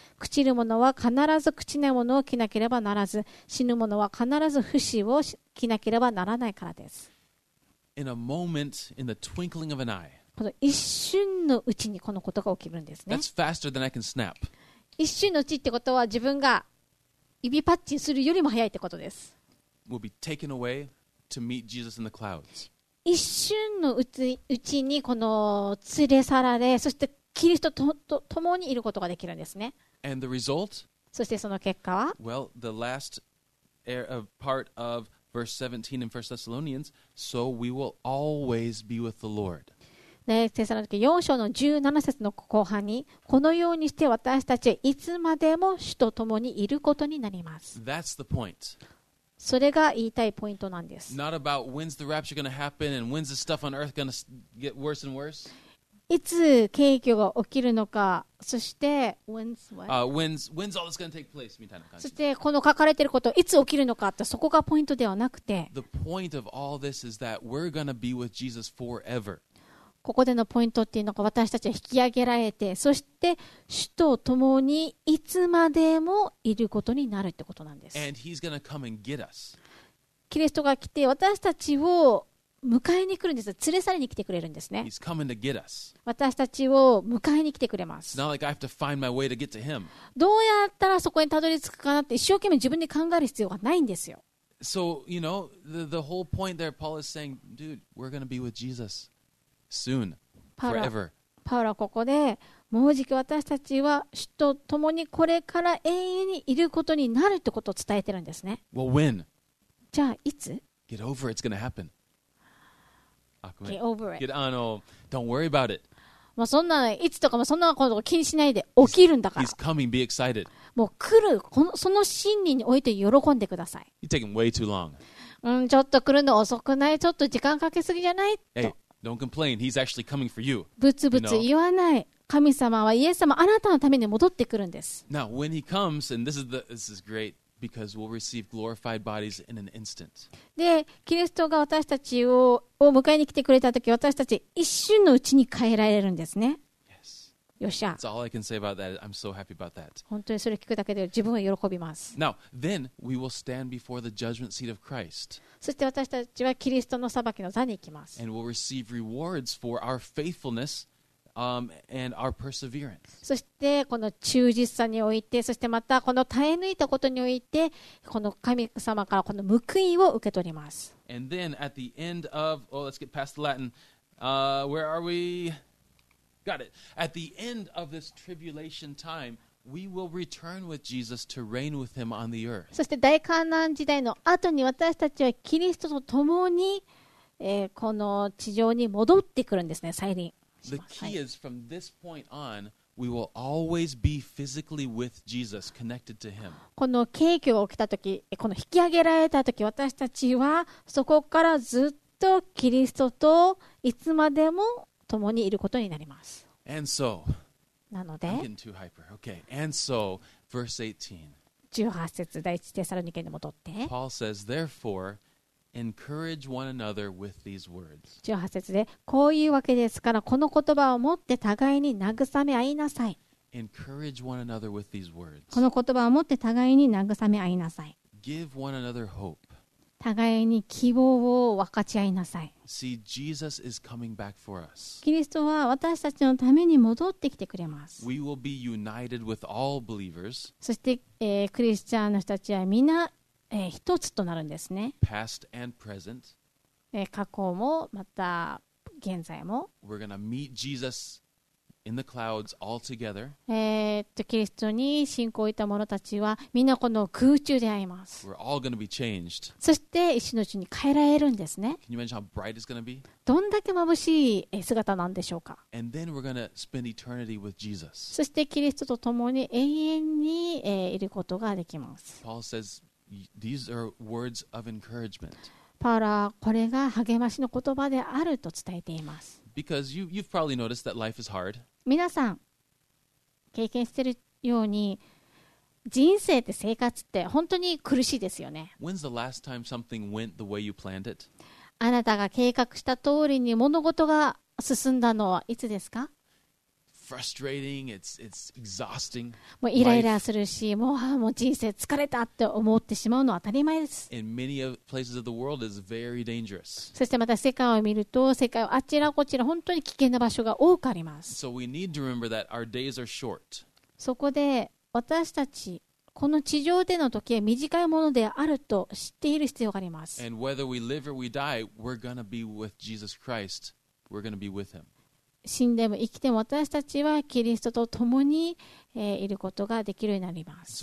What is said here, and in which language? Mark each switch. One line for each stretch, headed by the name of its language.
Japanese: 朽ちる者は必ず朽ちないものを着なければならず、死ぬ者は必ず不死を着なければならないからです。
English: In a moment, in the twinkling of an eye.
Japanese: この一瞬のうちにこのことが起きるんですね。
English: That's faster than I can snap.
Japanese: 一瞬のうちってことは自分が指パッチンするよりも早いってことです。
English: We'll be taken away to meet Jesus in the clouds.
Japanese: 一瞬のうちにこの連れ去られ、そしてキリストと共にいることができるんですね。
English: And the result?
Japanese: そしてその結果は、
English: well, the last part of verse 17 in 1 Thessalonians, so we will always be with the Lord.
Japanese: で、テサロニケ4章の17節の後半に、このようにして私たちはいつまでも主と共にいることになります。
English: That's the point.
Japanese: それが言いたいポイントなんです。
English: Not about when's the rapture going to happen and when's the stuff on earth going to get worse and worse.
Japanese: いつ景気が起きるのか、そして
English: when's all this going to take place
Japanese: みたいな感じ。そしてこの書かれていることいつ起きるのかって、そこがポイントではなくて。
English: The point of all this is that we're going to be with Jesus forever.
Japanese: ここでのポイントっていうのが、私たちは引き上げられて、そして主と共にいつまでもいることになるってことなんです。
English: And he's gonna come and get us.
Japanese: キリストが来て私たちを迎えに来るんです。連れ去りに来てくれるんですね。
English: He's coming to get us.
Japanese: 私たちを迎えに来てくれます。
English: It's not like I have to find my way to get to him.
Japanese: どうやったらそこにたどり着くかなって一生懸命自分で考える必要がないんですよ。
English: So you know the whole point there, Paul is saying, dude, we're gonna be with Jesus. Soon, forever.
Japanese: パウロはここでもうじき私たちは主と共にこれから永遠にいることになるってことを伝えてるんですね。
English: Well, when?
Japanese: じゃあいつ
English: ？Get over it. It's gonna happen. Get over it. Don't worry about it.
Japanese: まあそんないつとかもそんなこと気にしないで起きるんだから。
English: He's coming. Be excited.
Japanese: もう来る、このその真理において喜んでください。
English: You're taking way too long.
Japanese: ちょっと来るの遅くない？ちょっと時間かけすぎじゃない？と。
English: Hey. Don't complain. He's actually coming for you.
Japanese: ブツブツ言わない。神様はイエス様、あなたのために戻ってくるんです。
English: Now, when he comes, and this is great because we'll receive glorified bodies in an instant.
Japanese: で、キリストが私たちを迎えに来てくれたとき、私たち一瞬のうちに変えられるんですね。
English: Yes.
Japanese: よっしゃ。
English: That's all I can say about that. I'm so happy about that.
Japanese: 本当にそれ聞くだけで自分は喜びます。
English: Now, then we will stand before the judgment seat of Christ.
Japanese: そして私たちはキリストの裁きの座に行きます。
English: And we'll receive rewards for our faithfulness, and our perseverance.
Japanese: そしてこの忠実さにおいて、そしてまたこの耐え抜いたことにおいて、この神様からこの報いを受け取ります。
English: And then at the end of, oh, let's get past the Latin. Where are we? Got it. At the end of this tribulation time,We will return with Jesus to reign with him on the earth.
Japanese: そして大患難時代の後に私たちはキリストと共に、この地上に戻ってくるんですね。再臨。
English: The key is from this point on, we will always be physically with Jesus, connected to him.
Japanese: この景気が起きた時、この引き上げられた時、私たちはそこからずっとキリストといつまでも共にいることになります。
English: And so.
Japanese: なので
English: I'm getting too hyper. Okay. And so, verse 18.
Japanese: 18節、第一テサロニケに戻って。
English: Paul says, therefore, encourage one another with these words.
Japanese: 18節で、こういうわけですから、この言葉を持って互いに慰め合いなさい。
English: Encourage one another with these words.
Japanese: この言葉を持って互いに慰め合いなさい。
English: Give one another hope.
Japanese: 互いに希望を分かち合いなさい。
English: See, Jesus is coming back for us.
Japanese: キリストは私たちのために戻ってきてくれます。
English: We will be united with all believers.
Japanese: そして、クリスチャンの人たちはみんな、一つとなるんですね。
English: Past and present.
Japanese: 過去もまた現在も。
English: We're gonna meet Jesus in the clouds all together.
Japanese: キリストに信仰いた者たちはみんなこの空中で会います。
English: We're all gonna be changed.
Japanese: そして一瞬のうちに変えられるんですね。
English: Can you imagine how bright it's gonna be?
Japanese: どんだけ眩しい姿なんでしょうか。
English: And then we're gonna spend eternity with Jesus.
Japanese: そしてキリストと共に永遠に、いることができます。
English: Paul says these are words of encouragement.
Japanese: パウロはこれが励ましの言葉であると伝えています。
English: Because you've probably noticed that life is hard.
Japanese: 皆さん経験してるように人生って生活って本当に苦しいですよね。
English: When's the last time something went the way you planned it?
Japanese: あなたが計画した通りに物事が進んだのはいつですか？
English: Frustrating, it's exhausting.
Japanese: もうイライラするし、もう人生疲れたって思ってしまうのは当たり前です。
English: In many places of the world, it's very dangerous.
Japanese: そしてまた世界を見ると、世界はあちらこちら本当に危険な場所が多くあります。
English: So we need to remember that our days are short.
Japanese: そこで私たちこの地上での時は短いものであると知っている必要があります。
English: And whether we live or we die, we're gonna be with Jesus Christ. We're gonna be with him.
Japanese: 死んでも生きても私たちはキリストと共に、いることができるようになります。